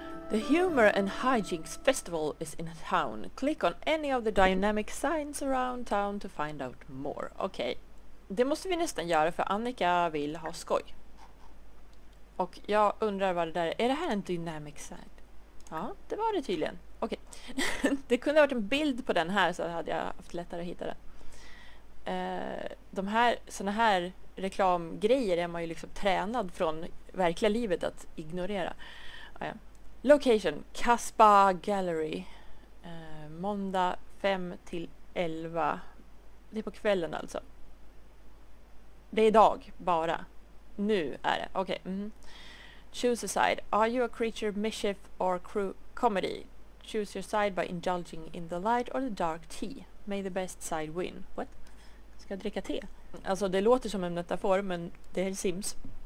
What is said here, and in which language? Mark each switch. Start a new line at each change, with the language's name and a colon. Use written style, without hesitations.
English: The Humor and Hijinks Festival is in town. Click on any of the dynamic signs around town to find out more.
Swedish: Okej. Det måste vi nästan göra för Annika vill ha skoj. Och jag undrar vad det där är. Är det här en dynamic sign? Ja, det var det tydligen. Okej. Okay. Det kunde ha varit en bild på den här så hade jag haft lättare att hitta den. De här, såna här reklamgrejer är man ju liksom tränad från verkliga livet att ignorera.
English: Location, Kaspa Gallery.
Swedish: Måndag 5-11. Det är på kvällen alltså. Det är idag, bara. Nu är det, okej. Okay. Mm.
English: Choose a side. Are you a creature, mischief or comedy? Choose your side by indulging in the light or the dark tea. May the best side win. What?
Swedish: Ska jag dricka te? Alltså det låter som en metafor, men det är Sims.